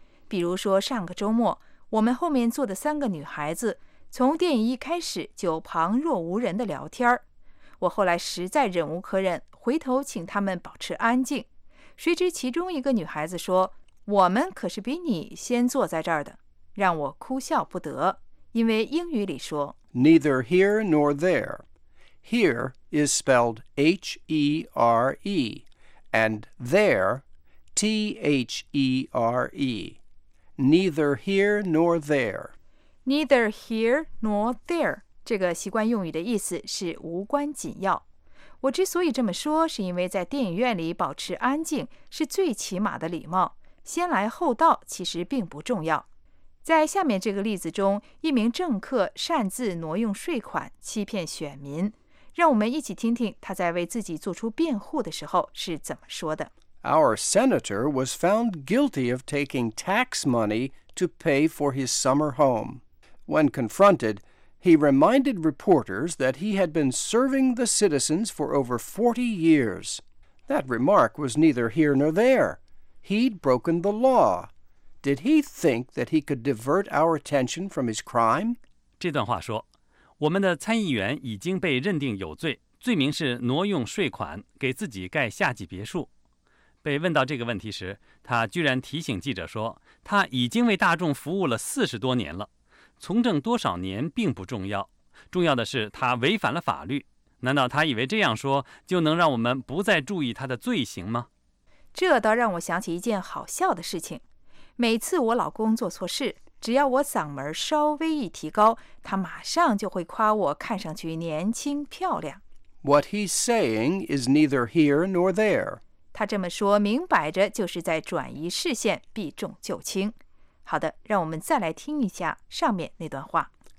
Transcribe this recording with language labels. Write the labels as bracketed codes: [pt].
[zh] 比如说上个周末，我们后面坐的三个女孩子，从电影一开始就旁若无人的聊天。我后来实在忍无可忍，回头请她们保持安静。谁知其中一个女孩子说，我们可是比你先坐在这儿的。让我哭笑不得，因为英语里说 [en] Neither here nor there. Here is spelled H-E-R-E, and there, T-H-E-R-E. Neither here nor there. Neither here nor there. [zh] 这个习惯用语的意思是无关紧要。我之所以这么说，是因为在电影院里保持安静是最起码的礼貌，先来后到其实并不重要。在下面这个例子中，一名政客擅自挪用税款欺骗选民，让我们一起听听他在为自己做出辩护的时候是怎么说的。 [en] Our senator was found guilty of taking tax money to pay for his summer home. When confronted, he reminded reporters that he had been serving the citizens for over 40 years. That remark was neither here nor there. He'd broken the law. Did he think that he could divert our attention from his crime? [zh] 这段话说，我们的参议员已经被认定有罪，罪名是挪用税款给自己盖夏季别墅。被问到这个问题时，他居然提醒记者说，他已经为大众服务了40多年了，从政多少年并不重要，重要的是他违反了法律。难道他以为这样说就能让我们不再注意他的罪行吗？这倒让我想起一件好笑的事情。每次我老公做错事，只要我嗓门稍微一提高，他马上就会夸我看上去年轻漂亮。 [en] What he's saying is neither here nor there. [zh] 他这么说明摆着就是在转移视线，避重就轻。好的，让我们再来听一下上面那段话。